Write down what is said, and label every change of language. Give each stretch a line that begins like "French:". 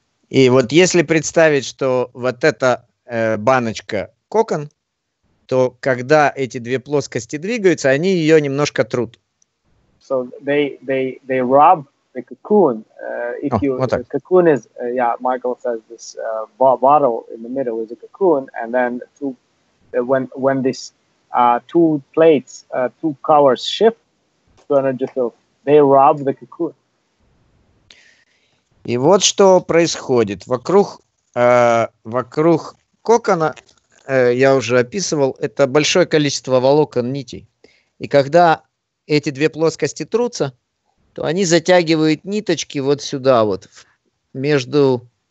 Russian: И вот если представить, что вот эта баночка кокон, то когда эти две плоскости двигаются, они ее немножко трут.
English: So they rub the cocoon. Cocoon is, Michael says this bottle in the middle is a cocoon, and then when this two plates, two colors shift to energy field, they rub the cocoon.
Russian: И вот что происходит вокруг кокона. Я уже описывал, это большое количество волокон, нитей. И когда эти две плоскости трутся, то они затягивают ниточки вот сюда вот, между...